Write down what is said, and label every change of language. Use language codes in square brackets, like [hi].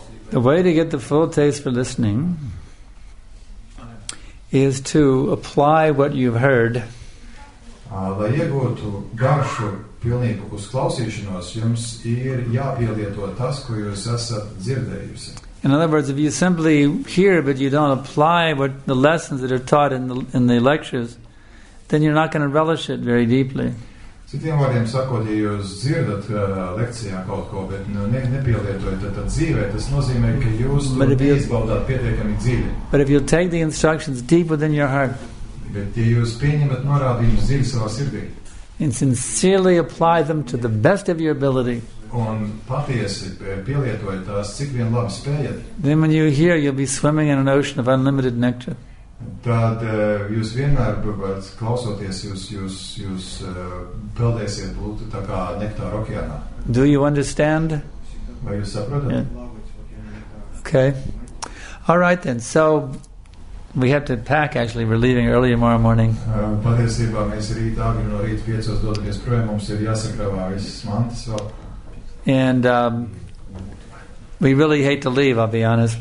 [en] The way to get the full taste for listening is to apply what you've heard. [lv] Lai iegūtu garšu pilnību uz klausīšanos, jums ir jāpielieto tas, ko jūs esat dzirdējusi. [en] In other words, if you simply hear but you don't apply what the lessons that are taught in the lectures, then you're not going to relish it very deeply. [lv] Citiem vārdiem sakot, ja jūs dzirdat lekcijā kaut ko, bet nepielietojat, tad dzīvē, tas nozīmē, ka jūs neizbaudāt pietiekami dzīvi. [en] But if you take the instructions deep within your heart, [lv] bet ja jūs pieņemat norādījumus dzīvi savā sirdī, [en] and sincerely apply them to the best of your ability, [lv] un patiesi pielietojat tās, cik vien labi spējat, [en] then when you hear, you'll be swimming in an ocean of unlimited nectar. [lv] Tad jūs vienmēr klausoties, jūs peldēsiet būt tā kā nektāra okeānā. [en] Do you understand? [lv] Vai jūs saprotat? Yeah. [en] Okay. All right then, so we have to pack actually, we're leaving early tomorrow morning. [lv] Patiesībā mēs rīt āgri no rīta 5:00 dodamies projām, mums ir jāsakravā visas mantas vēl. [en] And we really hate to leave, I'll be honest.